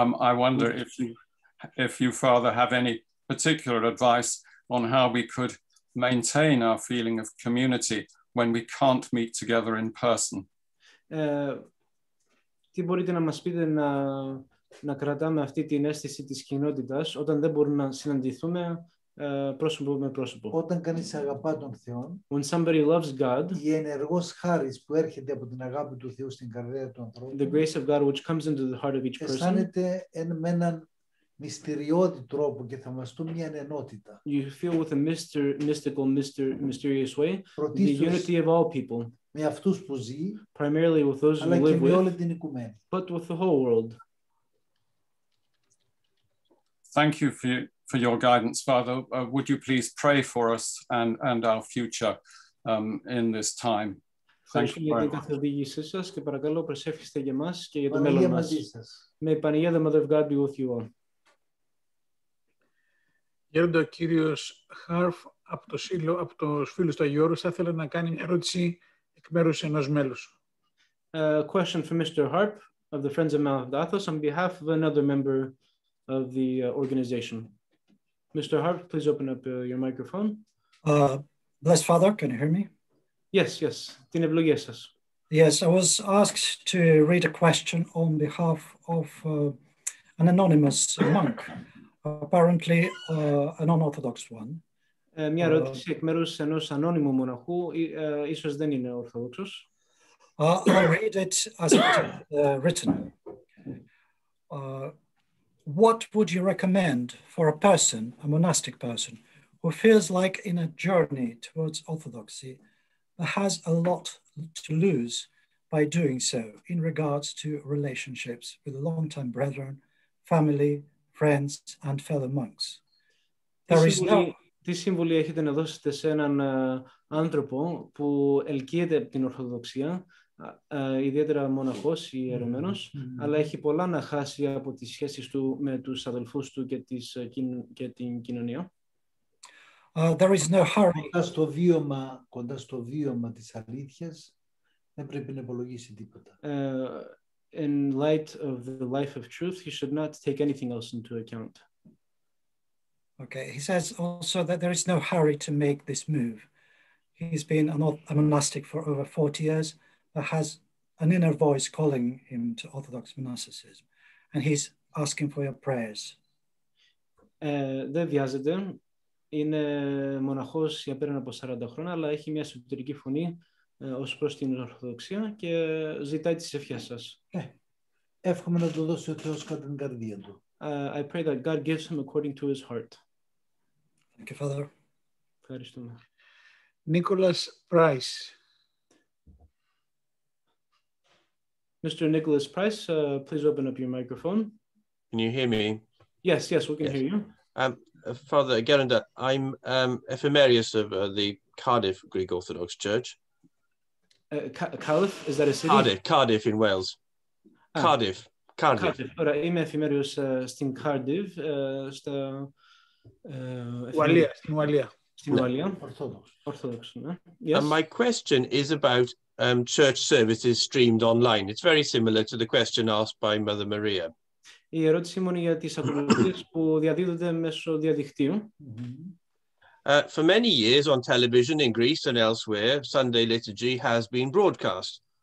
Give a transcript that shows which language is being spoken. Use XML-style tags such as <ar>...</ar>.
<en>I wonder if you, Father, have any particular advice on how we could maintain our feeling of community when we can't meet together in person.</en> <el>Τι μπορείτε να μας πείτε να κρατάμε αυτή την αίσθηση της κοινότητας όταν δεν μπορούμε να συναντηθούμε πρόσωπο με πρόσωπο. Όταν κανείς αγαπά τον Θεό,</el> <en>when somebody loves God,</en> <el>η ενεργός χάρης που έρχεται από την αγάπη του Θεού στην καρδιά του ανθρώπου,</el> <en>the grace of God which comes into the heart of each person,</en> <el>αισθάνεται με έναν μυστηριώδη τρόπο και θαυμαστού μια ενότητα.</el> <en>You feel with a mysterious way the unity of all people,</en> <el>με αυτούς που ζει,</el> <en>primarily with those</en> <el>αλλά</el> <en>who live</en> <el>και με</el> <en>with,</en> <el>όλη την οικουμένη,</el> <en>but with the whole world. Thank you for your guidance, Father. Would you please pray for us and our future in this time? Thank you very much. May the Mother of God be with you all.</en> <el>Γέροντα, ο κύριος Χάρφ από το σύλλο, από τους φίλους του Αγίου Όρους, θα ήθελε να κάνει μια ερώτηση εκ μέρους ενός μέλους.</el> <en>A question for Mr. Harp of the Friends of Mount Athos on behalf of another member of the organization. Mr. Harp, please open up your microphone. Blessed Father, can you hear me? Yes, yes.</en> <el>Την ευλογία σας.</el> <en>Yes, I was asked to read a question on behalf of an anonymous monk. Apparently, a non-Orthodox one.</en> <el>Μια ερώτηση εκ μέρους ενός ανώνυμου μοναχού, ίσως δεν είναι Ορθόδοξος.</el> <en>I'll read it as it's written. What would you recommend for a person, a monastic person, who feels like in a journey towards Orthodoxy, but has a lot to lose by doing so in regards to relationships with long-term brethren, family, friends and fellow monks. There is no.</en> <el>Τι σύμβουλοι έχετε να δώσετε σε έναν άνθρωπο που ελκύεται από την Ορθοδοξία, ιδιαίτερα μοναχός ή ιερωμένος, αλλά έχει πολλά να χάσει από τις σχέσεις του με τους αδελφούς του και και την κοινωνία.</el> <en>There is no hurry.</en> <el>Κοντά στο βίωμα της αλήθειας, δεν πρέπει να υπολογίσει τίποτα.</el> <en>In light of the life of truth, he should not take anything else into account. Okay, he says also that there is no hurry to make this move. He's been a monastic for over 40 years, but has an inner voice calling him to Orthodox monasticism, and he's asking for your prayers.</en> <el>Δεν βιάζεται. Είναι μοναχός για πέραν από 40 χρόνια, αλλά έχει μια εσωτερική φωνή ως προς την Ορθοδοξία και ζητάει τις ευχές σας. Εύχομαι να του δώσει ο Θεός κατά την καρδία του.</el> <en>I pray that God gives him according to his heart. Thank you, Father.</en> <el>Ευχαριστούμε.</el> <en>Nicholas Price. Mr. Nicholas Price, please open up your microphone. Can you hear me? Yes, yes, we can yes. hear you. Father Gerinda, I'm ephemeris of the Cardiff Greek Orthodox Church. Cardiff, is that a city? Cardiff in Wales. Cardiff. Cardiff.</en> <el>Είμαι εφημερίος στην Cardiff, στα... Ουαλία, στην Ουαλία. Στην Ουαλία.</el> <en>Orthodox. Orthodox, yes. My question is about church services streamed online. It's very similar to the question asked by Mother Maria.</en> <el>Η ερώτηση μου είναι για τις ακολουθίες που διαδίδονται μέσω διαδικτύου.</el> <en>For many years on television in Greece and elsewhere, Sunday liturgy has been broadcast.</en>